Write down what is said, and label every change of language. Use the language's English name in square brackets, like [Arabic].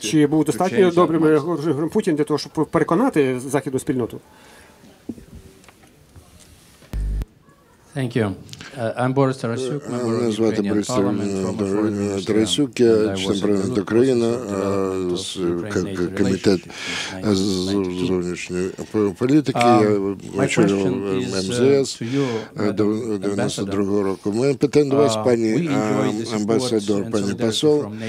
[Ukrainian] Чи був достатньо добрим Путін для того, щоб переконати західну спільноту? [English] Thank you. I'm Boris Tarasyuk, member of Ukrainian Parliament from the foreign ministry. [Ukrainian] Я член парламенту України, комітет з зовнішньої політики. Я очолював МЗС до 92-го року. Моє питання до вас, пані амбасадор, пані посол.